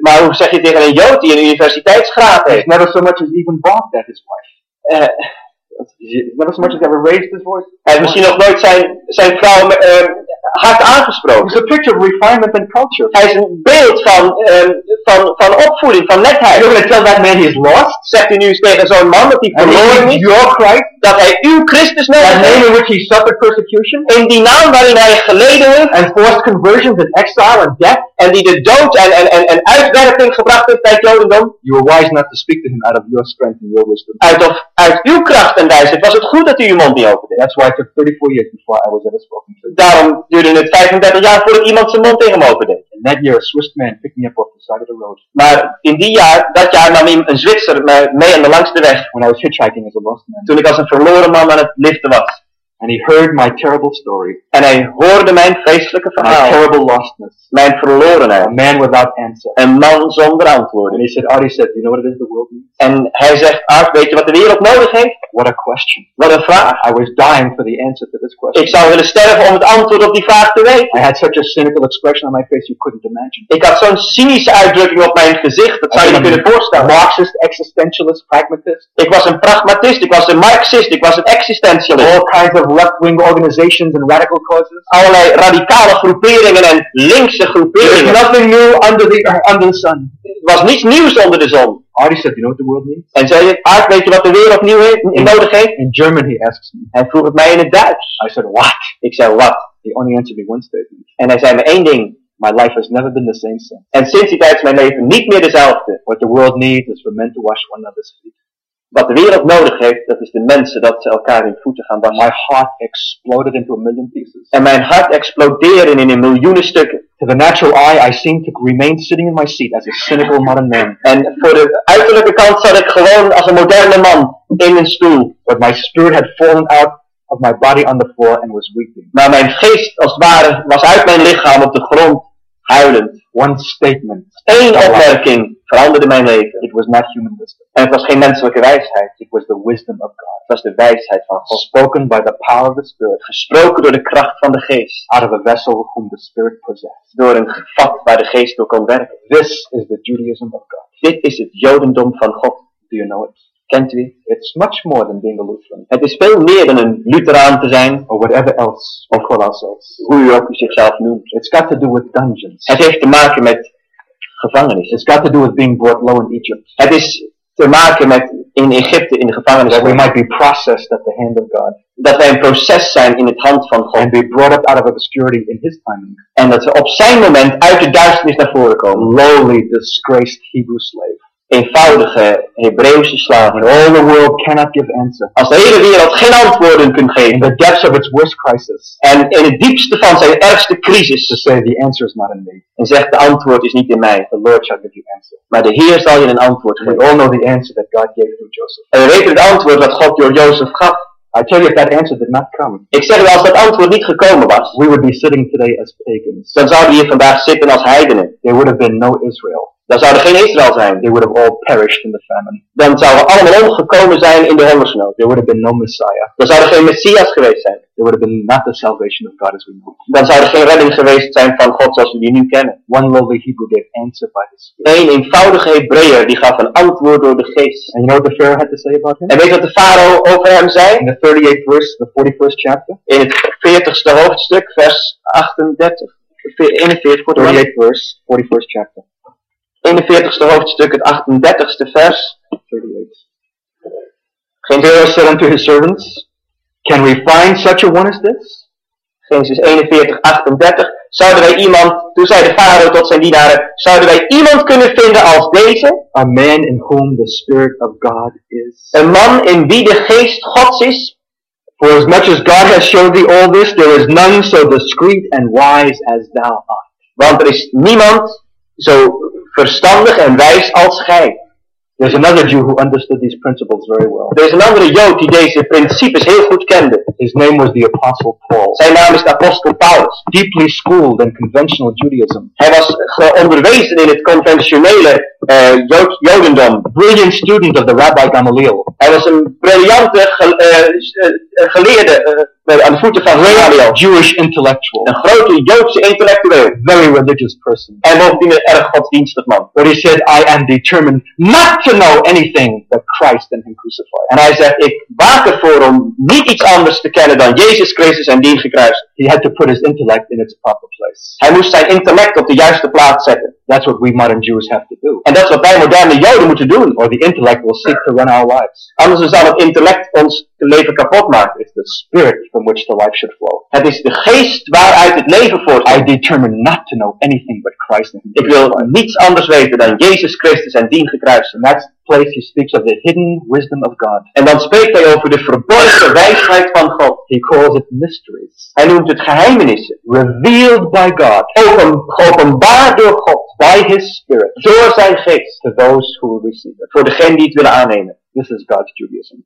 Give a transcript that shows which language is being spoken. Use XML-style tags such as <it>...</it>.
<nl>Maar hoe zeg je tegen een Jood die een universiteitsgraad heeft?</nl> <en>He's never so much as even bought that his wife. Never so much as ever raised his voice.</en> <nl>Hij heeft misschien nog nooit zijn vrouw hard aangesproken.</nl> <en>He's a picture of refinement and culture.</en> <nl>Hij is een beeld van opvoeding, van netheid.</nl> <en>You're going to tell that man he's lost?</en> <nl>Zegt u nu tegen zo'n man dat hij verloren is?</nl> <en>Your Christ?</en> <nl>Dat hij uw Christus nodig heeft?</nl> <en>That name in which he suffered persecution?</en> <nl>In die naam waarin hij geleden heeft?</nl> <en>And forced conversions and exile and death?</en> <nl>En die de dood en uitwerking gebracht heeft bij het Jodendom?</nl> <en>You were wise not to speak to him out of your strength and your wisdom.</en> <nl>Uit uw kracht en wijsheid was het goed dat u uw mond niet opende.</nl> <en>That's why it took 34 years before I was ever spoken to.</en> <nl>Daarom duurde het 35 jaar voordat iemand zijn mond tegen hem opende.</nl> <en>And that year a Swiss man picked me up off the side of the road.</en> <nl>Maar in dat jaar nam een Zwitser mee aan de langste weg.</nl> <en>When I was hitchhiking as a lost man.</en> <nl>Toen ik als een verloren man aan het liften was.</nl> <en>And he heard my terrible story.</en> <nl>En hij hoorde mijn vreselijke verhaal.</nl> <en>My terrible lostness.</en> <nl>Mijn verlorenheid.</nl> <en>A man without answer.</en> <nl>Een man zonder antwoord.</nl> <en>And he said, Artie said, you know what it is the world needs?</en> <nl>En hij zegt, Art, weet je wat de wereld nodig heeft?</nl> <en>What a question.</en> <nl>Wat een vraag.</nl> <en>I was dying for the answer to this question.</en> <nl>Ik zou willen sterven om het antwoord op die vraag te weten.</nl> <en>I had such a cynical expression on my face you couldn't imagine.</en> <nl>Ik had zo'n cynische uitdrukking op mijn gezicht, dat zou je niet kunnen voorstellen.</nl> <en>Marxist, existentialist, pragmatist.</en> <nl>Ik was een pragmatist, ik was een Marxist, ik was een existentialist.</nl> <en>All kinds of left-wing organizations and radical causes.</en> <nl>Allerlei radicale groeperingen en linkse groeperingen.</nl> <en>There's nothing new under the sun.</en> <nl>Er was niets nieuws onder de zon.</nl> <en>Artie said, you know what the world needs?</en> <nl>En zei je, Art, weet je wat de wereld nieuw nodig heeft?</nl> <en>In German, he asks me.</en> <nl>Hij vroeg het mij in het Duits.</nl> <en>I said, what?</en> <nl>Ik zei,</nl> <en>what? He only answered me one statement.</en> <nl>En hij zei me één ding.</nl> <en>My life has never been the same since.</en> <nl>En sinds die tijd is mijn leven niet meer dezelfde.</nl> <en>What the world needs is for men to wash one another's feet.</en> <nl>Wat de wereld nodig heeft, dat is de mensen dat ze elkaar in voeten gaan wassen.</nl> <en>My heart exploded into a million pieces.</en> <nl>En mijn hart explodeerde in een miljoenen stukken.</nl> <en>To the natural eye, I seemed to remain sitting in my seat as a cynical modern man.</en> <nl>En voor de uiterlijke kant zat ik gewoon als een moderne man in een stoel.</nl> <en>But my spirit had fallen out of my body on the floor and was weeping.</en> <nl>Maar mijn geest, als het ware, was uit mijn lichaam op de grond. Huilend.</nl> <en>One statement.</en> <nl>Eén opmerking veranderde mijn leven.</nl> <en>It was not human wisdom.</en> <nl>En het was geen menselijke wijsheid.</nl> <en>It was the wisdom of God.</en> <nl>Het was de wijsheid van God.</nl> <en>Spoken by the power of the Spirit.</en> <nl>Gesproken door de kracht van de geest.</nl> <en>Out of a vessel whom the Spirit possessed.</en> <nl>Door een vat waar de geest door kon werken.</nl> <en>This is the Judaism of God.</en> <nl>Dit is het Jodendom van God.</nl> <en>Do you know it?</en> <nl>Kent u het?</nl> <en>It's much more than being a Lutheran.</en> <nl>Het is veel meer dan een Lutheraan te zijn.</nl> <en>Or whatever else.</en> <nl>Of</nl> <en>call ourselves.</en> <nl>Hoe u ook zichzelf noemt.</nl> <en>It's got to do with dungeons.</en> <nl>Het heeft te maken met gevangenis.</nl> <en>It's got to do with being brought low in Egypt.</en> <nl>Het is te maken met in Egypte in de gevangenis.</nl> <en>That we might be processed at the hand of God.</en> <nl>Dat wij een proces zijn in het hand van God.</nl> <en>And be brought up out of obscurity in his timing.</en> <nl>En dat we op zijn moment uit de duisternis naar voren komen.</nl> <en>Lowly, disgraced Hebrew slave.</en> <nl>Eenvoudige Hebreeuwse slaaf.</nl> <en>When all the world cannot give answer.</en> <nl>Als de hele wereld geen antwoorden kunt geven.</nl> <en>In the depths of its worst crisis.</en> <nl>En in het diepste van zijn ergste crisis.</nl> <en>To say the answer is not in me.</en> <nl>En zegt de antwoord is niet in mij.</nl> <en>The Lord shall give you answer.</en> <nl>Maar de Heer zal je een antwoord geven.</nl> <en>We all know the answer that God gave through Joseph.</en> <nl>En we weten het antwoord dat God door Jozef gaf.</nl> <en>I tell you if that answer did not come.</en> <nl>Ik zeg u als dat antwoord niet gekomen was.</nl> <en>We would be sitting today as pagans.</en> <nl>Dan zouden we hier vandaag zitten als heidenen.</nl> <en>There would have been no Israel.</en> <nl>Dan zou er geen Israël zijn.</nl> <en>They would have all perished in the famine.</en> <nl>Dan zouden we allemaal omgekomen zijn in de hongersnood.</nl> <en>There would have been no Messiah.</en> <nl>Dan zou er geen Messias geweest zijn.</nl> <en>There would have been not the salvation of God as we know.</en> <nl>Dan zou er geen redding geweest zijn van God zoals we die nu kennen.</nl> <en>One lowly Hebrew gave answer by the Spirit.</en> <nl>Eén eenvoudige Hebreeër die gaf een antwoord door de Geest.</nl> <en>And you know what the Pharaoh had to say about him?</en> <nl>En weet wat de farao over hem zei?</nl> <en>In the 38th verse, the 41st chapter.</en> <nl>In het 40ste hoofdstuk, vers 38.</nl> <en>38th verse, 41st chapter.</en> <nl>41ste hoofdstuk, het 38ste vers.</nl> <en>38.</en> <nl>Geen</nl> <en>Pharaoh said unto his servants, can we find such a one as this?</en> <nl>Genesis 41, 38. Zouden wij iemand, toen zei de farao tot zijn dienaren, zouden wij iemand kunnen vinden als deze?</nl> <en>A man in whom the Spirit of God is.</en> <nl>Een man in wie de geest Gods is.</nl> <en>For as much as God has showed thee all this, there is none so discreet and wise as thou art.</en> <nl>Want er is niemand zo verstandig en wijs als gij.</nl> <en>There's another Jew who understood these principles very well. There's</en> <nl>een andere Jood die deze principes heel goed kende.</nl> <en>His name was the Apostle Paul.</en> <nl>Zijn naam is de Apostel Paulus.</nl> <en>Deeply schooled in conventional Judaism.</en> <nl>Hij was onderwezen in het conventionele Jodendom.</nl> <en>Brilliant student of the Rabbi Gamaliel.</en> <nl>Hij was een briljante geleerde aan de voeten van Gamaliel.</nl> <en>Jewish intellectual.</en> <nl>Een grote Joodse intellectueel.</nl> <en>Very religious person.</en> <nl>En bovendien een erg godsdienstig man.</nl> <en>But he said, I am determined not to know anything but Christ and him crucified.</en> <nl>En hij zegt, ik waak ervoor om niet iets anders te kennen dan Jezus Christus en dien gekruist.</nl> <en>He had to put his intellect in its proper place.</en> <nl>Hij moest zijn intellect op de juiste plaats zetten.</nl> <en>That's what we modern Jews have to do.</en> <nl>En dat is wat wij moderne Joden moeten doen.</nl> <en>Or the intellect will seek to run our lives.</en> <nl>Anders zal het intellect ons leven kapot maken.</nl> <en>It's the spirit from which the life should flow.</en> <nl>Het is de geest waaruit het leven voortkomt.</nl> <en>I determine not to know anything but Christ and Jesus.</en> <nl>Ik wil niets anders weten dan Jezus Christus en dien gekruist.</nl> <en>And that's the place he speaks of the hidden wisdom of God.</en> <nl>En dan spreekt hij over de verborgen wijsheid van God.</nl> <en>He calls it mysteries.</en> <nl>Hij noemt het geheimenissen.</nl> <en>Revealed by God.</en> <nl>Openbaar door God.</nl> <en>By his spirit.</en> <nl>Door zijn geest.</nl> <en>To those who will receive it.</en> <nl>Voor degenen die het willen aannemen.</nl> <en>This is God's Judaism.</en>